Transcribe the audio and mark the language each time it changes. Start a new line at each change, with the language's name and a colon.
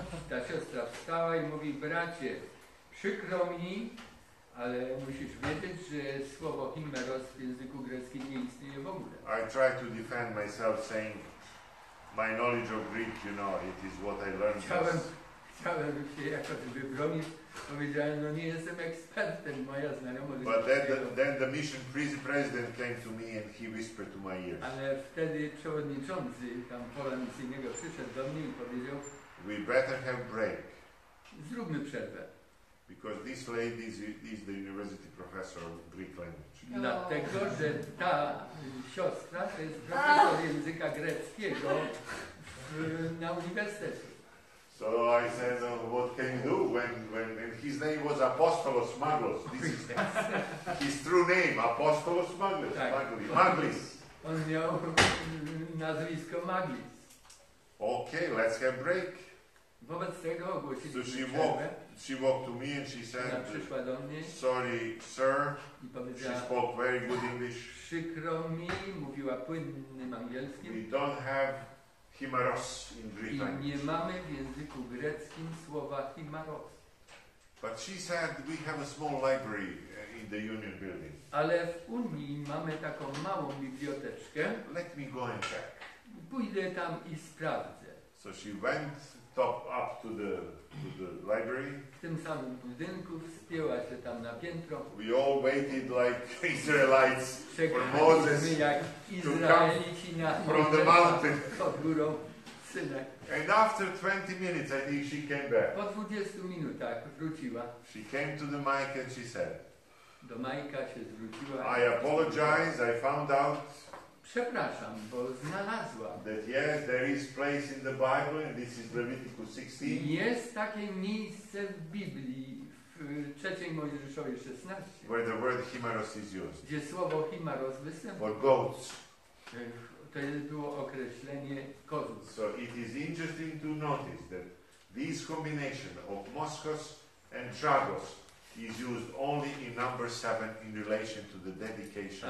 Polish: Ta siostra wstała i mówi, bracie, przykro mi, ale musisz wiedzieć, że słowo chimeros w języku greckim nie istnieje w ogóle.
English: I tried to defend myself saying, my knowledge of Greek, you know, it is what I learned.
Polish: Chciałem się jakoś wybronić, powiedziałem, no nie jestem ekspertem, moja znajomość.
English: But then the mission president came to me and he whispered to my ears.
Polish: Ale wtedy przewodniczący tam pola misyjnego przyszedł do mnie i powiedział,
English: we better have break.
Polish: Zróbmy przerwę.
English: Because this lady is the university professor of Greek language.
Polish: No. Dlatego, że ta siostra to jest profesor języka greckiego na uniwersytecie.
English: So I said, what can you do when and his name was Apostolos Maglos. This is his true name, Apostolos Maglos.
Polish: Tak. Maglis. On miał nazwisko Maglis.
English: Okay, let's have break.
Polish: Wobec tego ogłosiliśmy
English: so she walked to me and she said,
Polish: przyszła do mnie,
English: sorry, sir.
Polish: I powiedziała,
English: she spoke very good English.
Polish: Przykro mi, mówiła płynnym angielskim.
English: We don't have chimeros in Greek.
Polish: I nie mamy w języku greckim słowa chimeros.
English: But she said we have a small library in the Union building.
Polish: Ale w Unii mamy taką małą biblioteczkę.
English: Let me go and check.
Polish: Pójdę tam i sprawdzę.
English: So she went up to the library.
Polish: W tym samym budynku wspięła się tam na piętro.
English: We all waited like Israelites for Moses to come from the mountain.
Polish: Pod górą Synek.
English: And after 20 minutes, I think she came back.
Polish: Po 20 minutach wróciła.
English: She came to the mic and she said,
Polish: do Majka się zwróciła.
English: I apologize, I found out.
Polish: Przepraszam, bo znalazłam.
English: That yes, there is place in the Bible, and this is Leviticus 16.
Polish: Jest takie miejsce w Biblii, w trzeciej Mojżeszowej 16.
English: Where the word chimeros is used.
Polish: Gdzie słowo chimeros występuje.
English: For goats.
Polish: To było określenie kozów.
English: So it is interesting to notice that this combination of Moskos and Tragos is used only in number 7 in relation to the dedication.